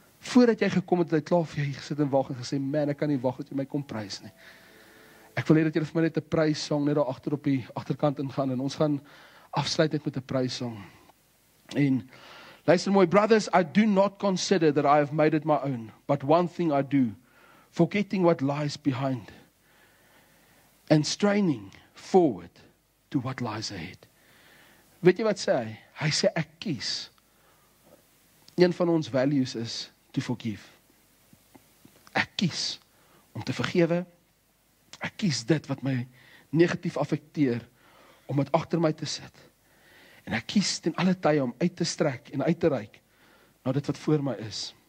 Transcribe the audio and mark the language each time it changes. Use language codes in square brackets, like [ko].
[af] Voordat jy gekom het, het hy klaar vir jy gesit en wag en gesê, man, ek kan nie wag dat jy my kom prys nie. Ek wil hê dat jy vir my net 'n prys-song net daar agter op die agterkant ingaan en ons gaan afsluit net met 'n prys-song. En luister mooi, [en] brothers, I do not consider that I have made it my own, but one thing I do, forgetting what lies behind and straining forward to what lies ahead. [af] Weet jy wat sê hy? Hy sê ek kies. Een van ons values [en] is to forgive. [af] Ek kies om te vergewe. Ek kies dit wat my negatief affekteer om dit agter my te sit. En ek kies ten alle tye om uit te strek en uit te reik na dit wat voor my is.